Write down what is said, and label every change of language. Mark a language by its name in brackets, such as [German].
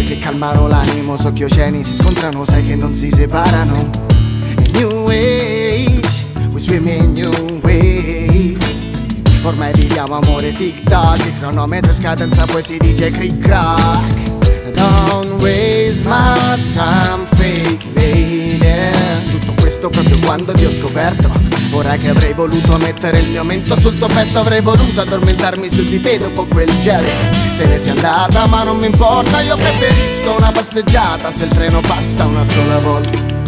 [Italian] imparano, sai che non si separano. [English] Il new age, we swim in new wave. [Italian] Ormai viviamo amore tic tac, il cronometro scadenza poi si dice click crack. [English] Don't waste my time fake lady. [Italian] Tutto questo proprio quando ti ho scoperto. Ora che avrei voluto mettere il mio mento sul tuo petto, avrei voluto addormentarmi su di te dopo quel gesto. Te ne sei andata ma non mi importa, io preferisco una passeggiata se il treno passa una sola volta.